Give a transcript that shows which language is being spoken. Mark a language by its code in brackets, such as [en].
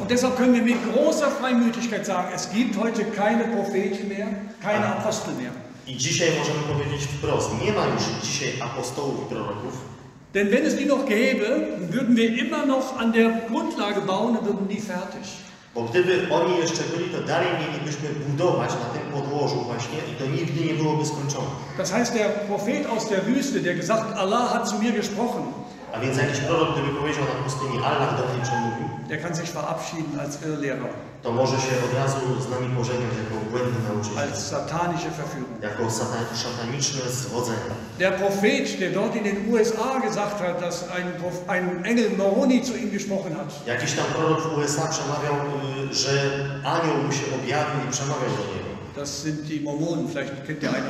[de] Und deshalb können wir mit großer Freimütigkeit sagen, es gibt heute keine Propheten mehr, keine Apostel mehr. [pl] I dzisiaj możemy powiedzieć wprost, nie ma już dzisiaj apostołów i proroków. [de] Denn wenn es die noch gäbe, würden wir immer noch an der Grundlage bauen und würden die fertig. [pl] Bo gdyby oni jeszcze byli, to dalej mielibyśmy budować na tym podłożu właśnie i to nigdy nie byłoby skończone. [de] Das heißt, der Prophet aus der Wüste, der gesagt, Allah hat zu mir gesprochen. [pl] A więc jakiś prorok, gdyby powiedział na pustyni, Allah do mnie przemówił. [de] Der kann sich verabschieden als Irrlehrer. [pl] To może się od razu z nami pożegnać jako błędny nauczyciel. [de] Als satanische Verführung. [pl] Jako szataniczne zwodzenie. [de] Der Prophet, der dort in den USA gesagt hat, dass ein Engel Moroni zu ihm gesprochen hat. [pl] Jakiś tam prorok w USA przemawiał, że anioł mu się objawił i przemawiał do niego. [de] Das sind die Mormonen, vielleicht kennt ihr einen.